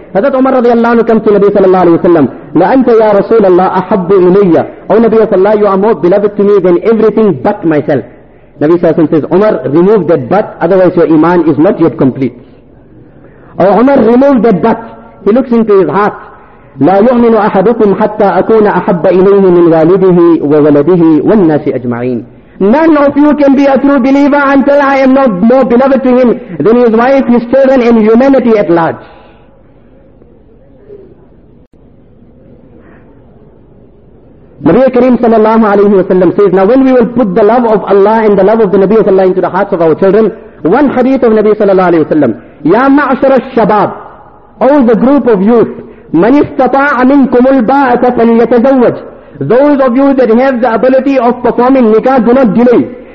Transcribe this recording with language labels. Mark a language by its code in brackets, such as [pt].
[en] Hazrat Umar radiallahu anhu comes to Nabi sallallahu alayhi wa sallam, [ar] La anta ya Rasulallah ahabbu ilayya. [en] O Nabi sallallahu, you are more beloved to me than everything but myself. Nabi sallallahu alayhi wa sallam says, Umar, remove that but, otherwise your iman is not yet complete. O Umar, remove that but. He looks into his heart. [ar] لا يؤمن احدكم حتى اكون احب اليه من والده وولده والناس اجمعين. [en] None of you can be a true believer until I am not more beloved to him than his wife, his children, and humanity at large. Nabi Kareem sallallahu alayhi wa sallam says, now when we will put the love of Allah and the love of the Nabi sallallahu alayhi wa sallam into the hearts of our children, one hadith of Nabi sallallahu alayhi wa sallam, [ar] Ya ma'ashar al-shabab, [en] all the group of youth, [ar] man istata'a minkum al-ba'ata falyatazawwaj, [en] those of you that have the ability of performing nikah, do not delay.